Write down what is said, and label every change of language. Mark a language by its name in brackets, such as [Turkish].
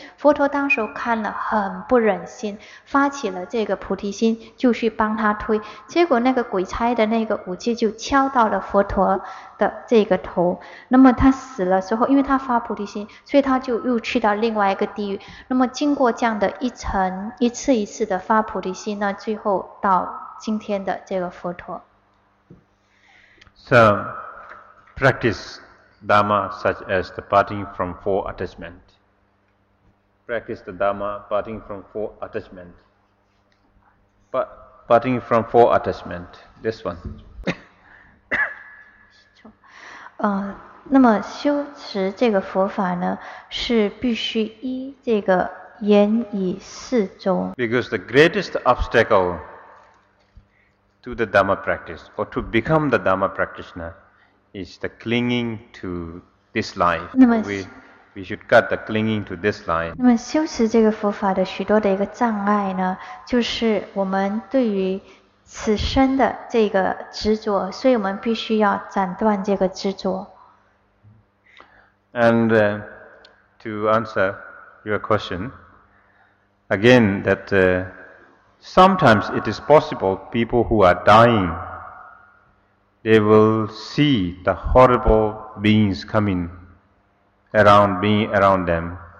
[Chinese] 佛陀当时看了很不忍心，发起了这个菩提心，就去帮他推，结果那个鬼差的那个武器就敲到了佛陀的这个头。那么他死了之后，因为他发菩提心，所以他就又去到另外一个地狱。那么经过这样的一层一次一次的发菩提心呢，最后到今天的这个佛陀。 [English] So practice Dhamma such as the parting from four attachments. Practice the Dhamma parting from four attachments. Parting from four attachments. This one. [Chinese] 那么修持这个佛法呢，是必须依这个缘以四种。 [English] Because the greatest obstacle to the Dhamma practice or to become the Dhamma practitioner is the clinging to this life. [Chinese] 那么 [English] we should cut the clinging to this life. [Chinese] 那么修持这个佛法的许多的一个障碍呢，就是我们对于此生的这个执着，所以我们必须要斩断这个执着。 [English] And to answer your question, again, that sometimes it is possible people who are dying, they will see the horrible beings coming around, being around them.